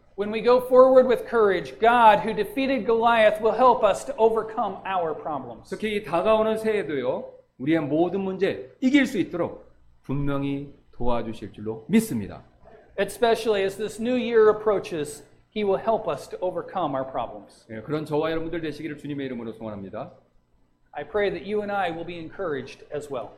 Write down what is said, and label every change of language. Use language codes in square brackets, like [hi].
[en] When we go forward with courage, God who defeated Goliath will help us to overcome our problems. [ko] 특히 이 다가오는 새해도요. 우리의 모든 문제 이길 수 있도록 분명히 도와주실 줄로 믿습니다. [en] Especially as this new year approaches, he will help us to overcome our problems. [ko] 예, 그런 저와 여러분들 되시기를 주님의 이름으로 소원합니다. [en] I pray that you and I will be encouraged as well.